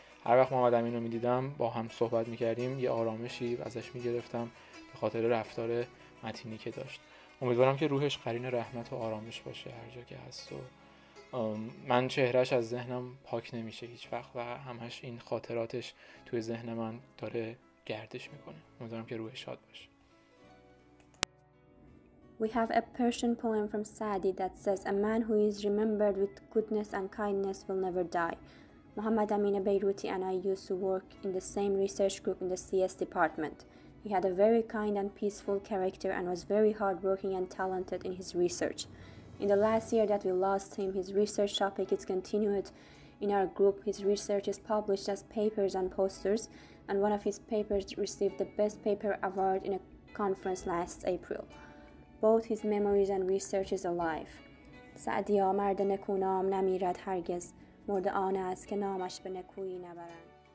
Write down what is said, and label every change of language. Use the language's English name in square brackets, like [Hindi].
[Persian] هر وقت محمد امین رو میدیدم با هم صحبت میکردیم یه آرامشی ازش میگرفتم به خاطر رفتار متینی که داشت. امیدوارم که روحش قرین رحمت و آرامش باشه هر جا که هست و من چهرش از ذهنم پاک نمیشه هیچ وقت و همش این خاطراتش توی ذهن من داره گردش میکنه. امیدوارم که روحش شاد باشه. [English] We have a Persian poem from Saadi that says a man who is remembered with goodness and kindness will never die. Mohammad Amin Beiruti and I used to work in the same research group in the CS department. He had a very kind and peaceful character and was very hardworking and talented in his research. In the last year that we lost him, his research topic is continued in our group. His research is published as papers and posters, and one of his papers received the Best Paper Award in a conference last April. Both his memories and research is alive. [Persian] سعدیا مرد نکونام نمیرد هرگز، مرد آن است که نامش به نکویی نبرند.